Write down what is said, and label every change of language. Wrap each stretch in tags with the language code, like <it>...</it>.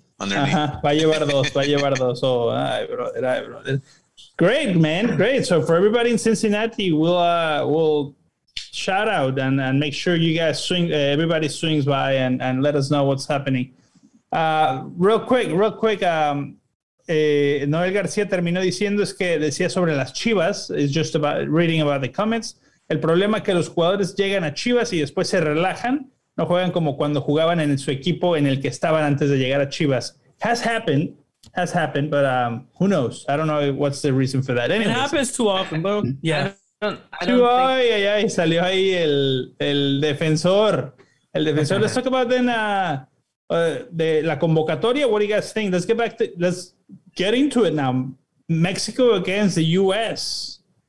<es>Va a llevar dos. Ay,</es> <en>brother. Great, man. Great. So for everybody in Cincinnati, we'll shout out and make sure you guys swing. Everybody swings by and let us know what's happening. Real quick.</en> <es>Noel García terminó diciendo es que decía sobre las Chivas.</es> <en>It's just about reading about the comments.</en> <es>El problema es que los jugadores llegan a Chivas y después se relajan. No juegan como cuando jugaban en su equipo en el que estaban antes de llegar a Chivas.</es> <en>Has happened, but who knows? I don't know what's the reason for that. Anyways. It happens too often, bro. Yeah.</en> <es>Ay, salió ahí el defensor. El defensor.</es> <en>Let's talk about then</en> <es>de la convocatoria.</es> <en>What do you guys think? Let's get into it now. Mexico against the U.S.</en>